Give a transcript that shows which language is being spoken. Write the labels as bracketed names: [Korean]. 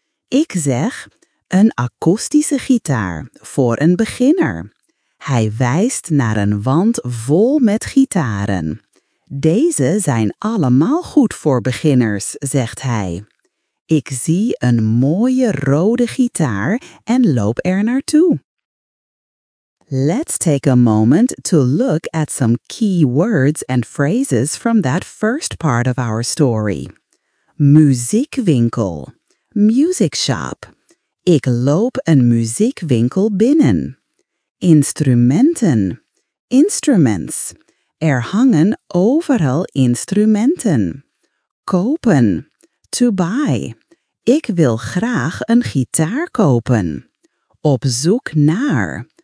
[Dutch] Ik zeg, een akoestische gitaar, voor een beginner. Hij wijst naar een wand vol met gitaren. Deze zijn allemaal goed voor beginners, zegt hij. Ik zie een mooie rode gitaar en loop er naartoe. [English] Let's take a moment to look at some key words and phrases from that first part of our story. [Dutch] Muziekwinkel. [English] Music shop. [Dutch] Ik loop een muziekwinkel binnen. Instrumenten. Instruments. Er hangen overal instrumenten. Kopen. [English] To buy. [Dutch] Ik wil graag een gitaar kopen. Op zoek naar.